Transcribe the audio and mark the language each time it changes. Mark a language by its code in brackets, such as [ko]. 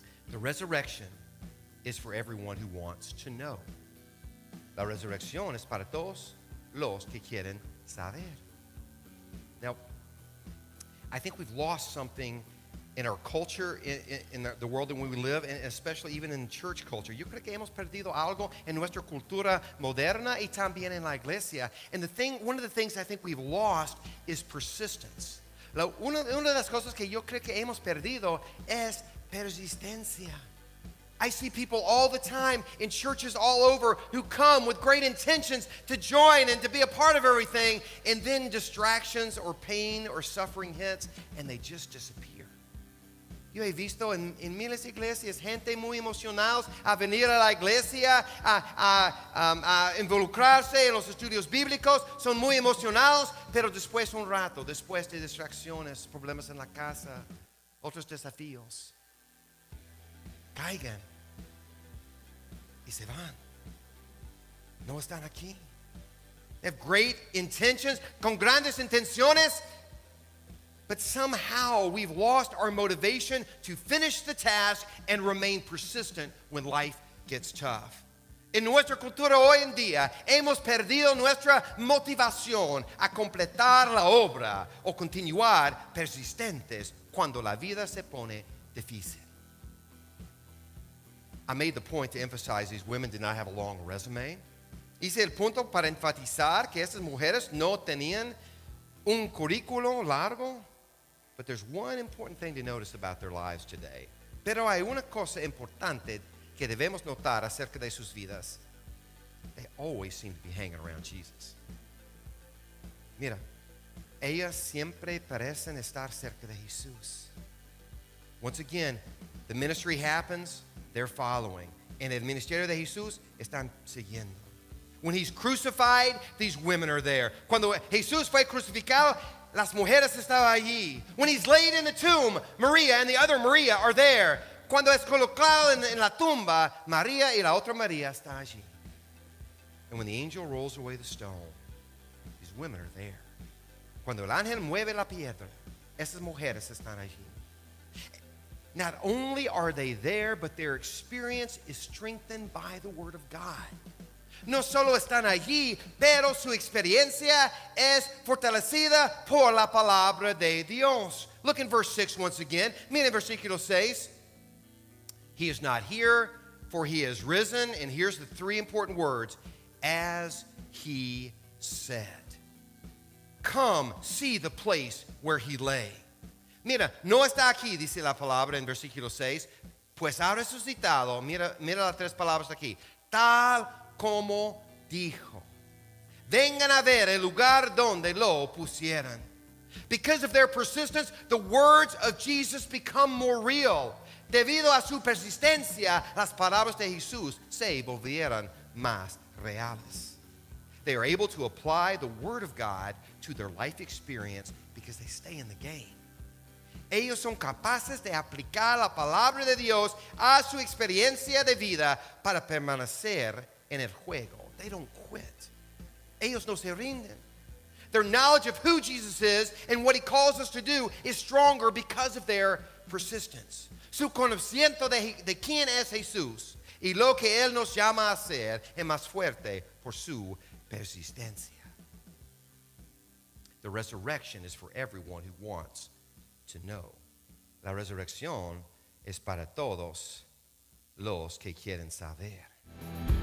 [en] The resurrection is for everyone who wants to know. [es] La resurrección es para todos los que quieren saber. [en] Now, I think we've lost something in our culture, in the world in which we live, and especially even in church culture. [es] Yo creo que hemos perdido algo en nuestra cultura moderna y también en la iglesia. [en] And the thing, one of the things I think we've lost is persistence. [es] Una de las cosas que yo creo que hemos perdido es persistencia. [en] I see people all the time in churches all over who come with great intentions to join and to be a part of everything, and then distractions or pain or suffering hits, and they just disappear. [es] Yo he visto en miles de iglesias gente muy emocionados a venir a la iglesia, a involucrarse en los estudios bíblicos. Son muy emocionados, pero después un rato, después de distracciones, problemas en la casa, otros desafíos, caigan y se van. No están aquí. [en] They have great intentions, [es] con grandes intenciones, [en] but somehow we've lost our motivation to finish the task and remain persistent when life gets tough. [es] En nuestra cultura hoy en día, hemos perdido nuestra motivación a completar la obra o continuar persistentes cuando la vida se pone difícil. [en] I made the point to emphasize these women did not have a long resume. [es] Hice el punto para enfatizar que estas mujeres no tenían un currículo largo. [en] But there's one important thing to notice about their lives today. [es] Pero hay una cosa importante que debemos notar acerca de sus vidas. [en] They always seem to be hanging around Jesus. [es] Mira, ellas siempre parecen estar cerca de Jesús. [en] Once again, the ministry happens, they're following. [es] En el ministerio de Jesús, están siguiendo. [en] When he's crucified, these women are there. [es] Cuando Jesús fue crucificado, las mujeres estaban allí. [en] When he's laid in the tomb, María and the other María are there. [es] Cuando es colocado en la tumba, María y la otra María están allí. [en] And when the angel rolls away the stone, these women are there. [es] Cuando el ángel mueve la piedra, esas mujeres están allí. [en] Not only are they there, but their experience is strengthened by the word of God. [es] No solo están allí, pero su experiencia es fortalecida por la palabra de Dios. [en] Look in verse 6 once again. [es] Mira en versículo 6. [en] He is not here, for he has risen. And here's the three important words. As he said. Come, see the place where he lay. [es] Mira, no está aquí, dice la palabra en versículo 6. Pues ha resucitado. Mira las tres palabras aquí. Tal como dijo. Vengan a ver el lugar donde lo pusieron. [en] Because of their persistence, the words of Jesus become more real. [es] Debido a su persistencia, las palabras de Jesús se volvieron más reales. [en] They are able to apply the word of God to their life experience because they stay in the game. [es] Ellos son capaces de aplicar la palabra de Dios a su experiencia de vida para permanecer en el juego. [en] They don't quit. [es] Ellos no se rinden. [en] Their knowledge of who Jesus is and what he calls us to do is stronger because of their persistence. [es] Su conocimiento de quién es Jesús y lo que él nos llama a hacer es más fuerte por su persistencia. [en] The resurrection is for everyone who wants to know. [es] La resurrección es para todos los que quieren saber.